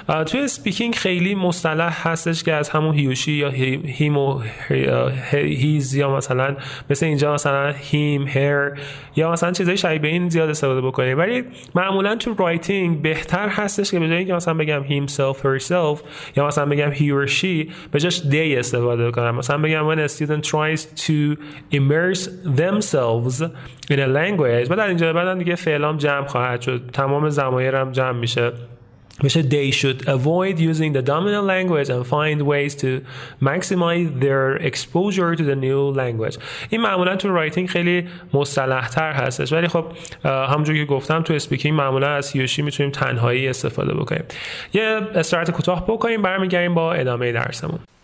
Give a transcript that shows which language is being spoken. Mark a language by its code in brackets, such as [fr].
[fa] توی اسپیکینگ خیلی مصطلح هستش که از همون هی و شی یا هیم و هیز یا مثلا مثل اینجا مثلا هیم هر یا مثلا چیزای شبیه به این زیاد استفاده بکنیم، ولی معمولا تو رایتینگ بهتر هستش که به جای اینکه مثلا بگم [en] himself herself [fa] یا مثلا بگم [en] he or she [fa] به جاش they استفاده کنم. مثلا بگم [en] when a student tries to immerse themselves in a language، [fa] بعد اینجا بعد دیگه فعلام جمع خواهد شد، تمام ضمایرم جمع میشه، میشه [en] they should avoid using the dominant language and find ways to maximize their exposure to the new language. [fa] این معمولا تو رایتینگ خیلی مصطلح‌تر هستش، ولی خب همونجوری که گفتم تو اسپیکینگ معمولا از هی و شی میتونیم تنهایی استفاده بکنیم. یه استراحت کوتاه بکنیم، برمیگردیم با ادامه درسمون.